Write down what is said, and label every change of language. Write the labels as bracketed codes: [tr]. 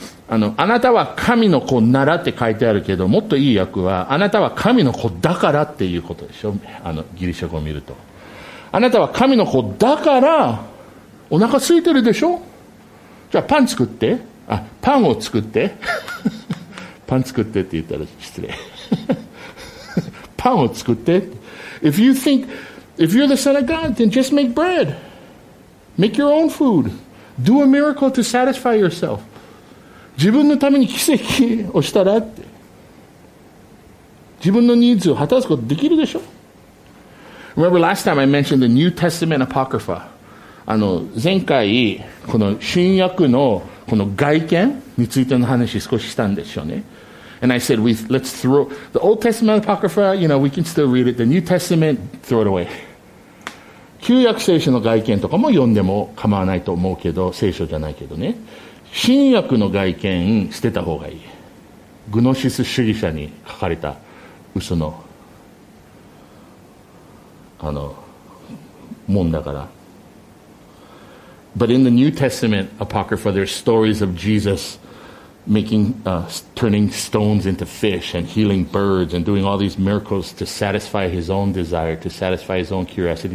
[ja] あなたは神の子ならって書いてあるけど、もっといい訳は、あなたは神の子だからっていうことでしょ。ギリシャ語を見ると。あなたは神の子だから、お腹空いてるでしょ？じゃあパン作って。あ、パンを作って。パン作ってって言ったら失礼。パンを作って。 [en] If you're the son of God, then just make bread. Make your own food. Do a miracle to satisfy yourself. [ja] 自分のために奇跡をしたらって。自分のニーズを果たすことできるでしょ。 [en] Remember last time I mentioned the New Testament Apocrypha. [ja] 前回、この新約のこの外見についての話少ししたんでしょうね。 [en] And I said, let's throw the Old Testament Apocrypha, you know, we can still read it. The New Testament, throw it away. [ja] 旧約聖書の外見とかも読んでも構わないと思うけど、聖書じゃないけどね。新約の外見捨てた方がいい。グノシス主義者に書かれた嘘の、もんだから。 [en] But in the New Testament Apocrypha, there's stories of Jesus making, turning stones into fish and healing birds and doing all these miracles to satisfy his own desire, to satisfy his own curiosity.